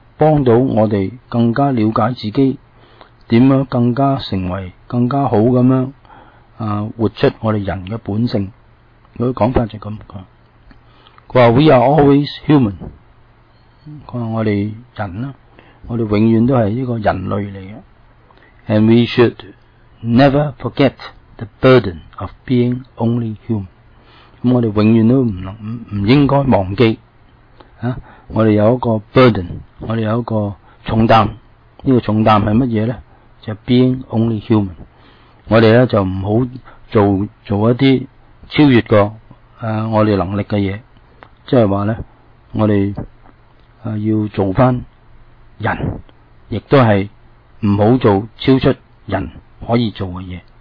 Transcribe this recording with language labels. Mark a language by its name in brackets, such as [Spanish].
[Cantonese] 帮到我哋更加了解自己，点样更加成为更加好咁样啊，活出我哋人嘅本性。佢讲法就咁讲，佢话 [English] We are always human。 [Cantonese] 佢话我哋人啦，我哋永远都系呢个人类嚟嘅。 [English] And we should never forget the burden of being only human。 [Cantonese] 咁我哋永远都唔应该忘记啊。我哋有一个 burden， 我哋有一个重担，呢、这个重担系乜嘢呢？就是、 [English] being only human。 [Cantonese] 我哋咧就唔好做一啲超越个我哋能力嘅嘢，即系话咧，我哋要做翻人，亦都系唔好做超出人可以做嘅嘢。